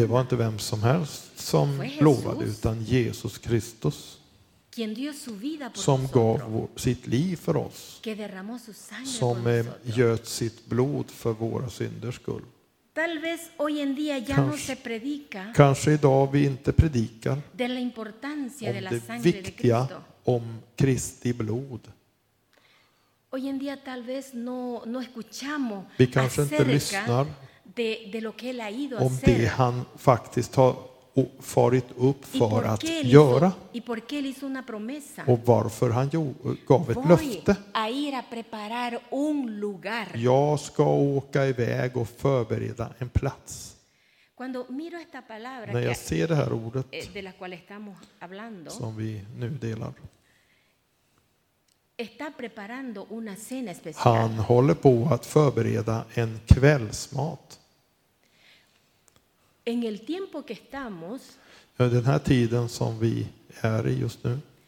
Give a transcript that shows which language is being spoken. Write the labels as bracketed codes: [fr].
[sv] Det var inte vem som helst som lovade, utan Jesus Kristus. [es] Quien dio su vida por [sv] som gav sitt liv för oss. [es] Que derramó su sangre [sv] som göt sitt blod för våra synders skull. [es] Tal vez hoy en día ya kanske, no se predica. [sv] Kanske idag vi inte predikar. [es] De la importancia de la [sv] det viktiga [es] de Cristo. [sv] Om Kristi blod. [es] Hoy en día tal vez no, no escuchamos [sv] vi kanske inte lyssnar [es] de lo que él ha ido [sv] om [es] hacer. [sv] Det han faktiskt har farit upp för att göra. [es] Y por qué él hizo una promesa. [sv] Och varför han gav ett [es] voy [sv] löfte. [es] A ir a preparar un lugar. [sv] Jag ska åka iväg och förbereda en plats. [es] Cuando miro esta palabra, [sv] när jag ser det här ordet [es] de la cual estamos hablando, [sv] som vi nu delar. [es] Está preparando una cena especial. [sv] Han håller på att förbereda en kvällsmat. [es] En el tiempo que estamos, [sv] den här tiden som vi är i just nu,